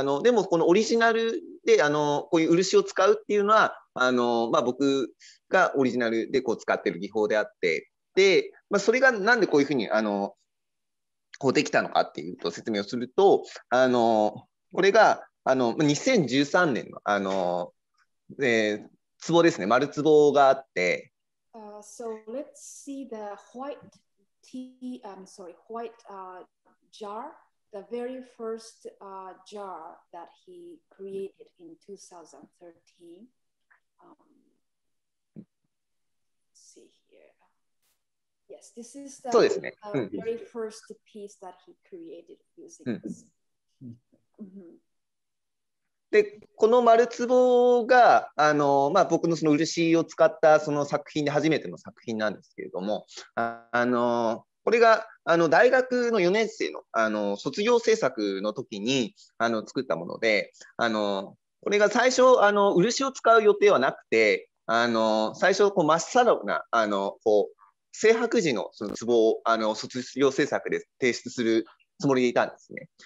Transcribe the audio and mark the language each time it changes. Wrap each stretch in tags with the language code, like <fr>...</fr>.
<ja>でもこのオリジナルでこういう漆を使うっていうのは僕がオリジナルでこう使ってる技法であって、で、それがなんでこういうふうにこうできたのかっていうと説明をすると、これが2013年の壺ですね、丸壺があって、</ja> <en>So let's see the white tea, I'm sorry, white jar the very first jar that he created in 2013. Let's see here. Yes, this is the very first piece that he created using this.</en> <ja>でこの丸壺が僕のその漆を使ったその作品で初めての作品なんですけれども、これが大学の4年生の卒業制作の時に作ったもので、これが最初漆を使う予定はなくて、最初こう真っさらな青白磁のその壺を卒業制作で提出するつもりでいたんですね。</ja>